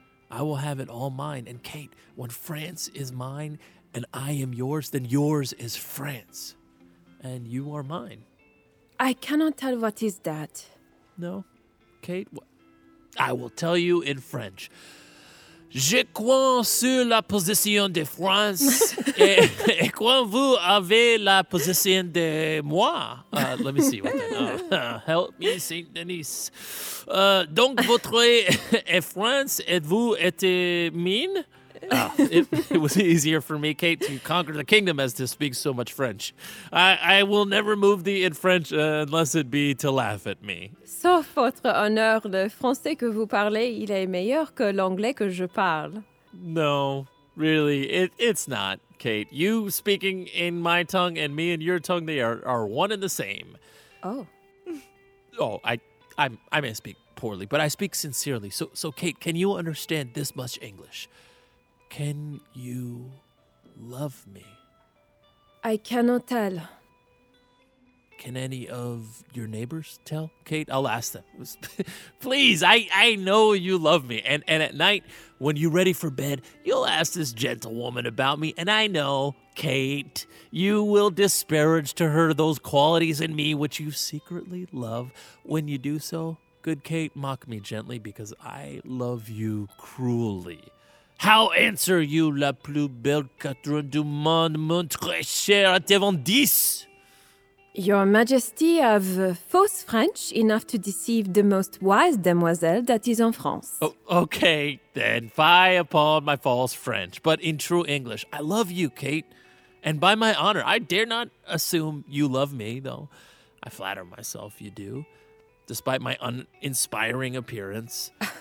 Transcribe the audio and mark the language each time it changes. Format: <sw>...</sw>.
<en>I will have it all mine. And Kate, when France is mine and I am yours, then yours is France. And you are mine. I cannot tell what is that. No, Kate. I will tell you in French.</en> <fr>Je crois sur la position de France et quand vous avez la position de moi.</fr> <en>Let me see. Help me, Saint Denis.</en> <fr>Donc, votre et France, êtes-vous été mine?</fr> <en>It was easier for me, Kate, to conquer the kingdom as to speak so much French. I will never move thee in French unless it be to laugh at me.</en> <fr>Sauf votre honneur, le français que vous parlez, il est meilleur que l'anglais que je parle.</fr> <en>No, really, it's not, Kate. You speaking in my tongue and me in your tongue, they are one and the same. Oh. Oh, I may speak poorly, but I speak sincerely. So, Kate, can you understand this much English? Can you love me? I cannot tell. Can any of your neighbors tell, Kate? I'll ask them. Please, I know you love me. And at night, when you're ready for bed, you'll ask this gentlewoman about me. And I know, Kate, you will disparage to her those qualities in me which you secretly love. When you do so, good Kate, mock me gently because I love you cruelly. How answer you,</en> <fr>la plus belle Catherine du monde, mon très cher devant 10?</fr> <en>Your Majesty have false French enough to deceive the most wise demoiselle that is in France. Oh, okay, then, fie upon my false French, but in true English. I love you, Kate, and by my honor, I dare not assume you love me, though I flatter myself you do, despite my uninspiring appearance.</en>